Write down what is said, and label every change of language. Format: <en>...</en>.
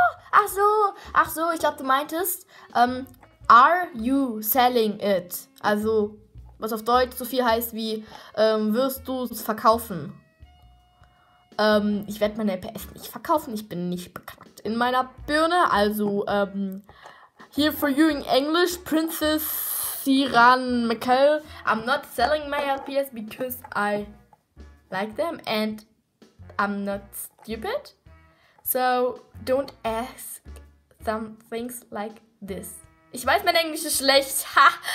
<de>Ach so, ach so, ich glaube, du meintest,</de> <en>are you selling it?</en> <de>Also, was auf Deutsch so viel heißt wie, wirst du es verkaufen? Ich werde meine LPS nicht verkaufen, ich bin nicht beknackt in meiner Birne.</de> <en>Also, here for you in English, Princess Siran Mikkel. I'm not selling my LPS because I like them and I'm not stupid. So, don't ask some things like this.</en> <de>Ich weiß, mein Englisch ist schlecht. Ha!</de>